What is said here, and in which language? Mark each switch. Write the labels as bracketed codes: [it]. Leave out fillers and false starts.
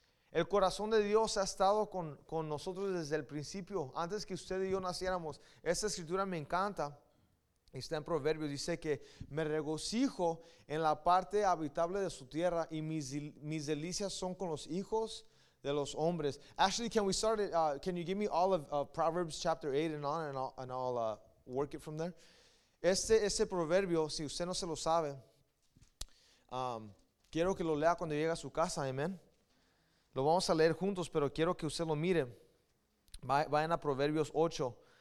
[es] El corazón de Dios ha estado con nosotros desde el principio, antes que usted y yo naciéramos. Esta escritura me encanta. Está en Proverbios, dice que me regocijo en la parte habitable de su tierra y mis delicias son con los hijos de los hombres. [en] Actually, can we start it? Can you give me all of Proverbs chapter 8 and on, and I'll work it from there? [es] Este proverbio, si usted no se lo sabe, quiero que lo lea cuando llegue a su casa, amén. Lo vamos a leer juntos, pero quiero que usted lo mire. Vayan a Proverbios 8.